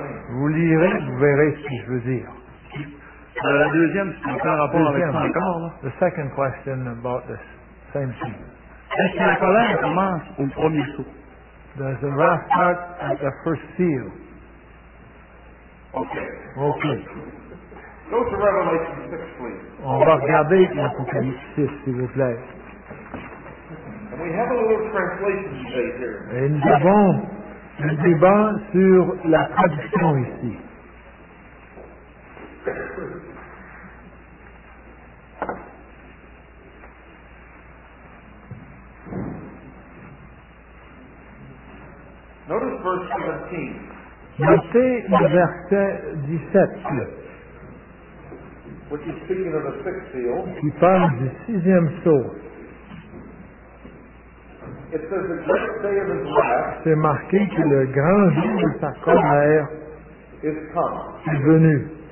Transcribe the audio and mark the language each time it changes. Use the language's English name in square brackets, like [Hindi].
[French] Vous lirez, vous verrez ce que je veux dire. La deuxième, c'est en rapport avec ça encore. Là. [English] The second question about the same thing. [French] Est-ce que la colère commence au premier sceau? [English] Does the wrath start at the first seal? Okay. Go to Revelation 6, please. [French] On va regarder l'Apocalypse 6, s'il vous plaît. [English] And we have a little translation debate here. [French] Et nous avons un débat sur la traduction ici. [English] Notice verse 17. [French] Notez le verset 17. [English] Which is speaking of the sixth seal. [French] Qui parle du sixième sceau. [English] It says the great day of his wrath. [French] C'est marqué que le grand jour de sa colère est venu.